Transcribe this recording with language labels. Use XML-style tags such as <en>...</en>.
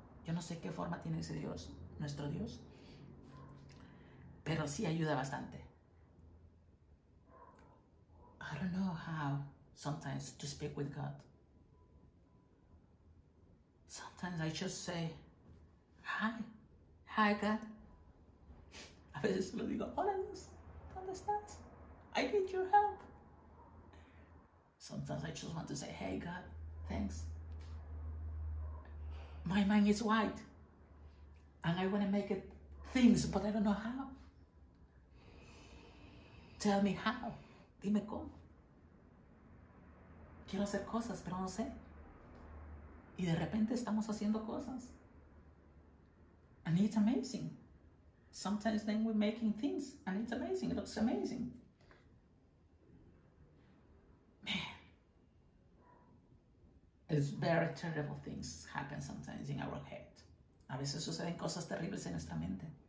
<es>Yo no sé qué forma tiene ese Dios, nuestro Dios. Pero sí ayuda bastante.</es> <en>I don't know how sometimes to speak with God. Sometimes I just say, hi, hi God.</en> <es>A veces solo digo, hola Luz, ¿dónde estás?</es> <en>I need your help. Sometimes I just want to say, hey God, thanks. My mind is wide and I want to make it things, but I don't know how. Tell me how.</en> <es>Dime cómo. Quiero hacer cosas, pero no sé. Y de repente estamos haciendo cosas.</es> <en>And it's amazing. Sometimes then we're making things and it's amazing. It looks amazing. Man. It's very terrible things happen sometimes in our head.</en> <es>A veces suceden cosas terribles en nuestra mente.</es>